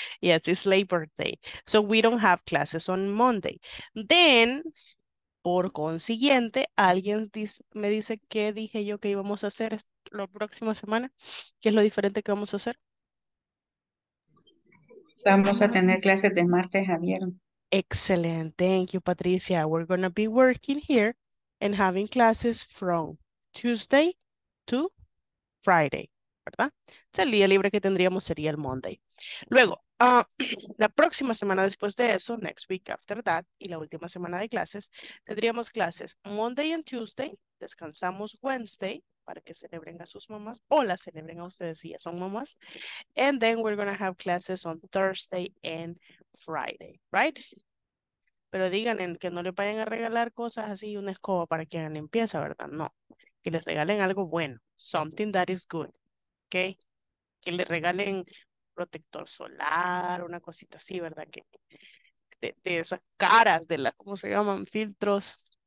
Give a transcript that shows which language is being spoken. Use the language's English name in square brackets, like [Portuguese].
[English] Yes, it's Labor Day. So we don't have classes on Monday. [Spanish] Then, por consiguiente, alguien me dice qué dije yo que íbamos a hacer esta la próxima semana, ¿qué es lo diferente que vamos a hacer? Vamos a tener clases de martes a viernes. [English] Excelente, thank you, Patricia. We're going to be working here and having classes from Tuesday to Friday, ¿verdad? [Spanish] O sea, el día libre que tendríamos sería el Monday. Luego, la próxima semana después de eso, [English] next week after that, [Spanish] y la última semana de clases, tendríamos clases Monday and Tuesday, descansamos Wednesday, para que celebren a sus mamás o las celebren a ustedes si ya son mamás. [English] And then we're going to have classes on Thursday and Friday, right? [Spanish] Pero digan que no les vayan a regalar cosas así, una escoba para que hagan limpieza, ¿verdad? No. Que les regalen algo bueno. [English] Something that is good. [Spanish] ¿Ok? Que les regalen protector solar, una cosita así, ¿verdad? Que de esas caras, de las, ¿cómo se llaman? Filtros.